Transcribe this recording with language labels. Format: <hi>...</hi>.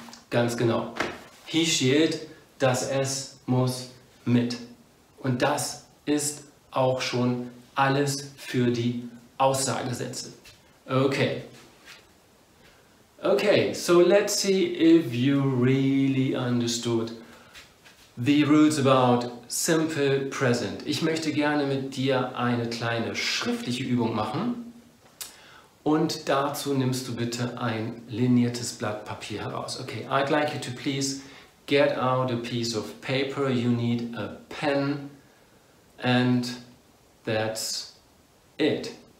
<de>Ganz genau.</de> <en>He, she, it,</en> <de>das Es muss mit. Und das ist auch schon alles für die Aussagesätze. Okay.</de> <en>Okay, so let's see if you really understood the rules about simple present.</en> <de>Ich möchte gerne mit dir eine kleine schriftliche Übung machen. Und dazu nimmst du bitte ein liniertes Blatt Papier heraus.</de> <en>Okay, I'd like you to please get out a piece of paper. You need a pen. And that's it.</en>